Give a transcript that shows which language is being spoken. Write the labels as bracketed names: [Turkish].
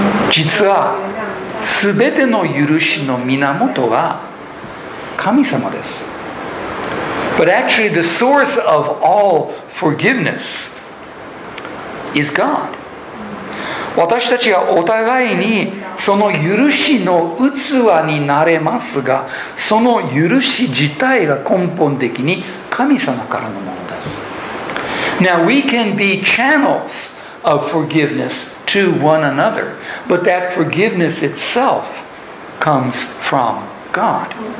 [Japanese] 実は全ての許しの源は神様です。 [English] But actually the source of all forgiveness is God. [Japanese] 私たちはお互いにその許しの器になれますが、その許し自体が根本的に神様からのものです。 [English] Now we can be channels of forgiveness to one another, but that forgiveness itself comes from God.